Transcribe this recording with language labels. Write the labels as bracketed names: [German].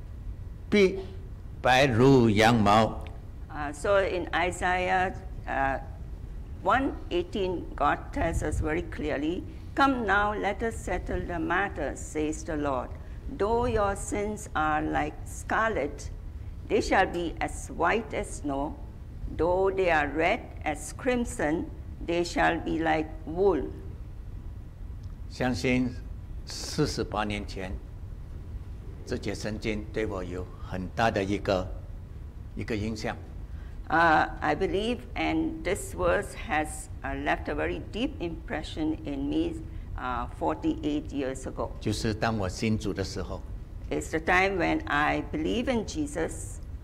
[Chinese] 耶和华说：“你们来，我们彼此偏论。你们的罪虽像铸红，必变成雪白；虽红如丹颜，必白如羊毛。” [English] So in Isaiah 1:18, God tells us very clearly, "Come now, let us settle the matter," says the Lord. Though your sins are like scarlet, they shall be as white as snow. Though they are red as crimson, they shall be like wool. [Chinese] 相信48年前，这节圣经对我有很大的一个影响。 [English] I believe, and this verse has left a very deep impression in me. 48 years ago. [Chinese] 就是当我信主的时候, [English] it's the time when I believe in Jesus.